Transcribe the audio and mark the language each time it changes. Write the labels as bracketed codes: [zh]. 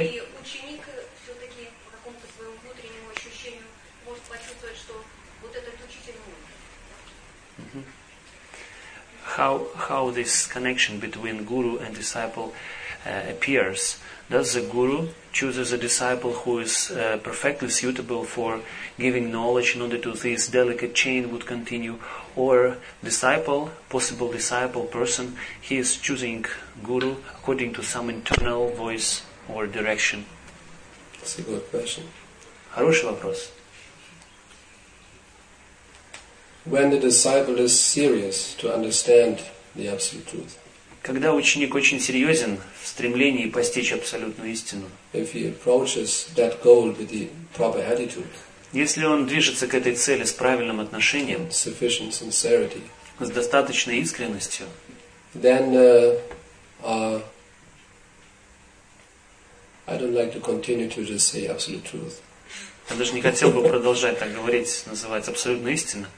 [ru] И ученик все-таки по какому-то своему внутреннему ощущению может почувствовать, что вот этот учитель мой. [en] How this connection between guru and disciple appears? Does the guru chooses a disciple who is perfectly suitable for giving knowledge in order to this delicate chain would continue, or disciple, possible disciple person, he is choosing guru according to some internal voice or direction? That's a good question. [ru] Хороший вопрос. [en] When the disciple is serious to understand the absolute truth. [ru] Когда ученик очень серьезен в стремлении постичь абсолютную истину. [en] If he approaches that goal with the proper attitude. [ru] Если он движется к этой цели с правильным отношением. [en] With sufficient sincerity. [ru] С достаточной искренностью. [en] Then I don't like to continue to just say absolute truth. [ru] Я даже не хотел бы продолжать так говорить, называть абсолютно истина.